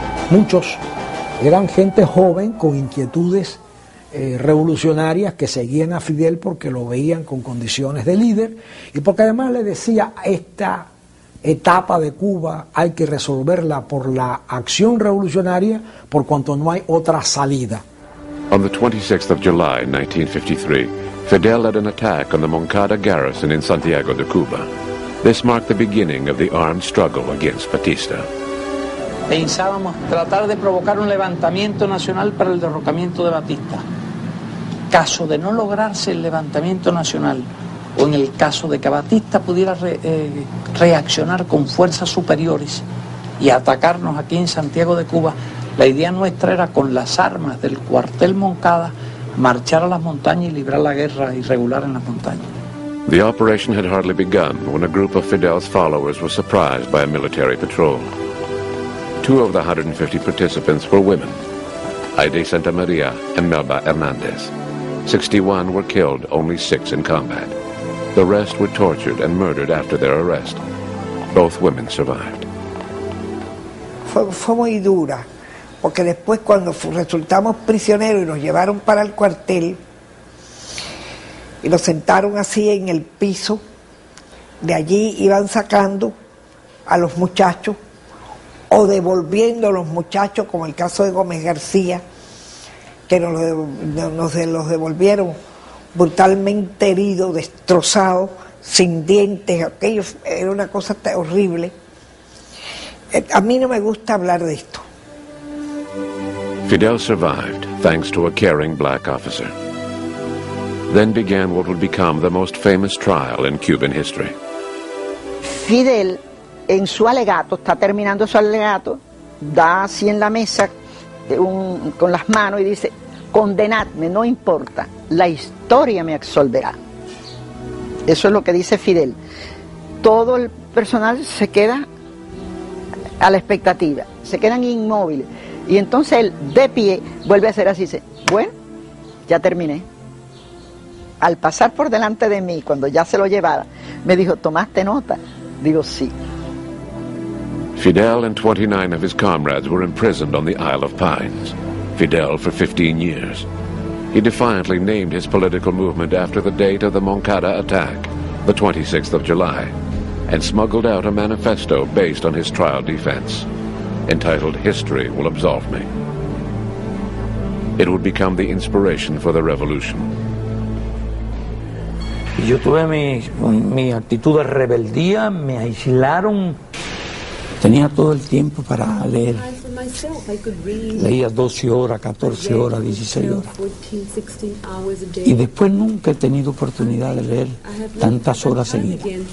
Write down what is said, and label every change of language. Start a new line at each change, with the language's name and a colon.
Spanish: Muchos eran gente joven con inquietudes revolucionarias que seguían a Fidel porque lo veían con condiciones de líder y porque además le decía: esta etapa de Cuba hay que resolverla por la acción revolucionaria, por cuanto no hay otra salida.
English: On the 26th of July 1953, Fidel led an attack on the Moncada garrison in Santiago de Cuba. This marked the beginning of the armed struggle against Batista.
Spanish: Pensábamos tratar de provocar un levantamiento nacional para el derrocamiento de Batista. Caso de no lograrse el levantamiento nacional, o en el caso de que Batista pudiera reaccionar con fuerzas superiores y atacarnos aquí en Santiago de Cuba, la idea nuestra era, con las armas del cuartel Moncada, marchar a las montañas y librar la guerra irregular en las montañas.
English: The operation had hardly begun when a group of Fidel's followers was surprised by a military patrol. Two of the 150 participants were women, Aide Santa Maria and Melba Hernandez. 61 were killed, only 6 in combat. The rest were tortured and murdered after their arrest. Both women survived.
Spanish: Fue muy dura, porque después cuando resultamos prisioneros y nos llevaron para el cuartel y nos sentaron así en el piso, de allí iban sacando a los muchachos o devolviendo a los muchachos, como el caso de Gómez García, que nos los devolvieron brutalmente herido, destrozado, sin dientes. Aquello era una cosa horrible. A mí no me gusta hablar de esto.
English: Fidel survived thanks to a caring black officer. Then began what would become the most famous trial in Cuban history.
Spanish: Fidel, en su alegato, está terminando su alegato, da así en la mesa con las manos y dice: condenadme, no importa, la historia me absolverá. Eso es lo que dice Fidel. Todo el personal se queda a la expectativa, se quedan inmóviles. Y entonces él, de pie, vuelve a hacer así, dice: bueno, ya terminé. Al pasar por delante de mí, cuando ya se lo llevara, me dijo: ¿tomaste nota? Digo, sí.
English: Fidel and 29 of his comrades were imprisoned on the Isle of Pines. Fidel for 15 years. He defiantly named his political movement after the date of the Moncada attack, the 26th of July, and smuggled out a manifesto based on his trial defense, entitled "History Will Absolve Me." It would become the inspiration for the revolution.
Spanish: Yo tuve mi actitud de rebeldía, me aislaron. Tenía todo el tiempo para leer. Leía 12 horas, 14 horas, 16 horas. Y después nunca he tenido oportunidad de leer tantas horas seguidas.